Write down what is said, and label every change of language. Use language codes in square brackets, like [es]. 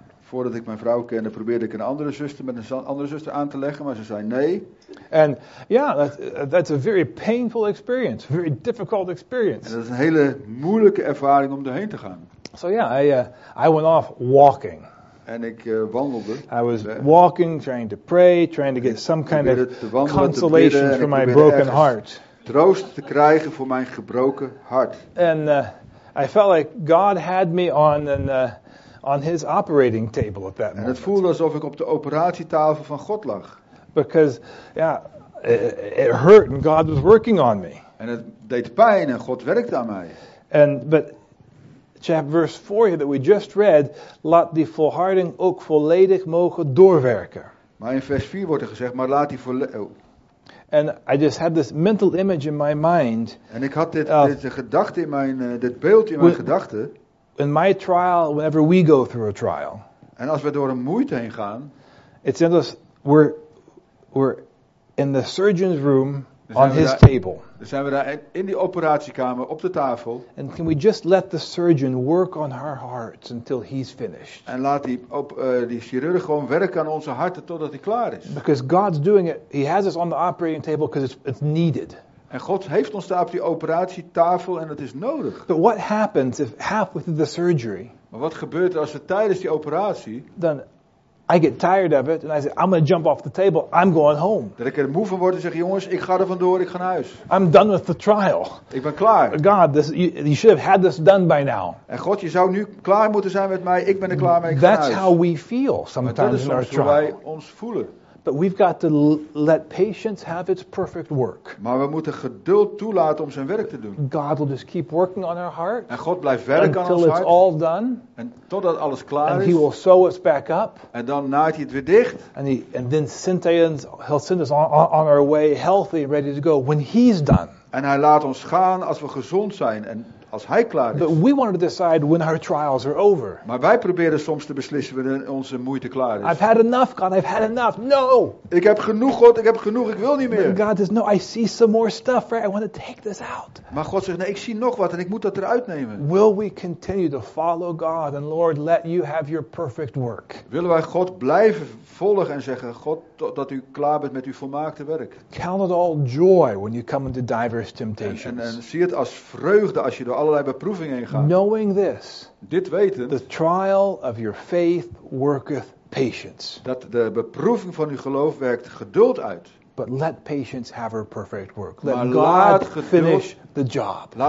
[nl] Voordat ik mijn vrouw kende, probeerde ik een andere zuster met een andere zuster aan te leggen, maar ze zei nee. [en] And yeah, that's a very painful experience, very difficult experience. [nl] En dat is een hele moeilijke ervaring om doorheen te gaan. [en] So yeah, I went off walking. [nl] En ik wandelde. [en] I was walking, trying to pray, trying to get some kind of consolation for my broken heart. [nl] Troost te krijgen voor mijn gebroken hart. [en] And I felt like God had me on on his operating table at that moment. [nl] En het voelde alsof ik op de operatietafel van God lag. [en] Because, it hurt and God was working on me. [nl] En het deed pijn en God werkte aan mij. [en] But verse 4 here that we just read, [nl] laat die volharding ook volledig mogen doorwerken. Maar in vers 4 wordt er gezegd, maar laat die volledig. [en] And I just had this mental image in my mind. [nl] En ik had dit beeld in mijn gedachten. [en] In my trial, whenever we go through a trial. [nl] En als we door een moeite heen gaan. [en] It's in us, we're in the surgeon's room on his table. [nl] Dan zijn we daar in die operatiekamer op de tafel. [en] And can we just let the surgeon work on our hearts until he's finished. [nl] En laat die chirurg gewoon werken aan onze harten totdat hij klaar is. [en] Because God's doing it, he has us on the operating table because it's needed. [nl] En God heeft ons daar op die operatietafel en het is nodig. [en] But what happens if halfway through the surgery? [nl] Maar wat gebeurt er als we tijdens die operatie? Dan [en] I get tired of it and I say, I'm going to jump off the table. I'm going home. [nl] Dat ik er moe van word en zeg, jongens, ik ga er vandoor, ik ga naar huis. [en] I'm done with the trial. [nl] Ik ben klaar. [en] God, this, you should have had this done by now. [nl] En God, je zou nu klaar moeten zijn met mij. Ik ben er klaar mee, ik ga [en] That's [nl] naar [en] how we feel sometimes in our trial. [nl] Dat is hoe wij ons voelen. [en] But we've got to let patience have its perfect work. [nl] Maar we moeten geduld toelaten om zijn werk te doen. [en] God will just keep working on our heart. [nl] En God blijft werken aan ons hart. [en] Until it's all done. [nl] En totdat alles klaar [en] and [nl] is. [en] And he will sew us back up. [nl] En dan naait hij het weer dicht. [en] And then he'll send us on our way healthy, ready to go when he's done. [nl] En hij laat ons gaan als we gezond zijn en als hij klaar is. [en] But we want to decide when our trials are over. [nl] Maar wij proberen soms te beslissen wanneer onze moeite klaar is. [en] I've had enough, God. I've had enough. No. [nl] Ik heb genoeg, God. Ik heb genoeg. Ik wil niet meer. [en] But God says, no. I see some more stuff. Right? I want to take this out. [nl] Maar God zegt, nee, ik zie nog wat en ik moet dat eruit nemen. [en] Will we continue to follow God and Lord, let you have your perfect work? [nl] Willen wij God blijven volgen en zeggen, God, dat u klaar bent met uw volmaakte werk? [en] Count it all joy when you come into diverse temptations. [nl] En zie het als vreugde als je door allerlei beproevingen ingaan. [en] Knowing this, [nl] dit weten, [en] the trial of your faith worketh patience. [nl] Dat de beproeving van uw geloof werkt geduld uit. [en] But let patience have her perfect work. Let [nl] maar [en] God [nl] geduld, [en] finish the job.